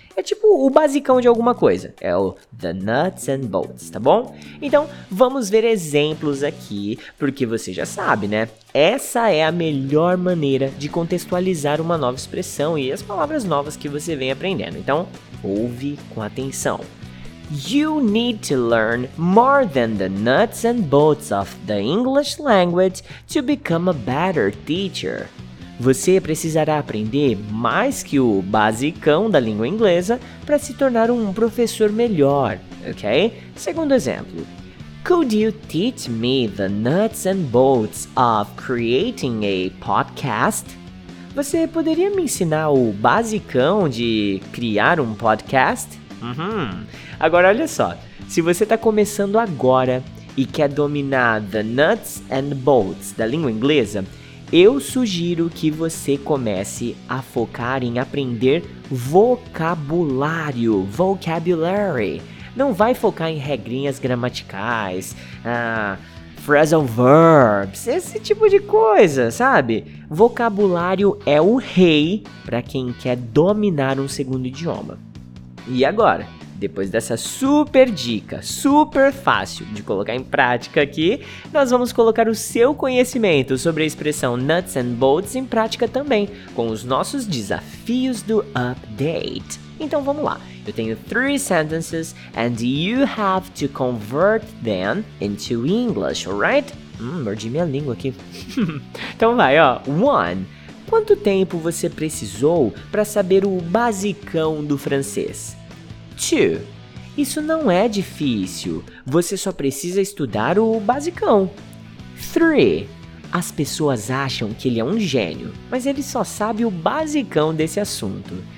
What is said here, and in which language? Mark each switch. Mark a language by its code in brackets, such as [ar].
[pt] É tipo o basicão de alguma coisa. É o [en] the nuts and bolts, [pt] tá bom? Então, vamos ver exemplos aqui, porque você já sabe, né? Essa é a melhor maneira de contextualizar uma nova expressão e as palavras novas que você vem aprendendo. Então, ouve com atenção. [en] You need to learn more than the nuts and bolts of the English language to become a better teacher. [pt] Você precisará aprender mais que o basicão da língua inglesa para se tornar um professor melhor, ok? Segundo exemplo. [en] Could you teach me the nuts and bolts of creating a podcast? [pt] Você poderia me ensinar o basicão de criar um podcast? Agora olha só, se você está começando agora e quer dominar [en] the nuts and bolts [pt] da língua inglesa, eu sugiro que você comece a focar em aprender vocabulário, vocabulary. Não vai focar em regrinhas gramaticais, phrasal verbs, esse tipo de coisa, sabe? Vocabulário é o rei para quem quer dominar um segundo idioma. E agora, depois dessa super dica, super fácil de colocar em prática aqui, nós vamos colocar o seu conhecimento sobre a expressão nuts and bolts em prática também, com os nossos desafios do update. Então vamos lá, eu tenho [en] 3 sentences and you have to convert them into English, alright? [pt] Mordi minha língua aqui. Então vai, ó. 1. Quanto tempo você precisou para saber o basicão do francês? 2. Isso não é difícil, você só precisa estudar o basicão. 3. As pessoas acham que ele é um gênio, mas ele só sabe o basicão desse assunto.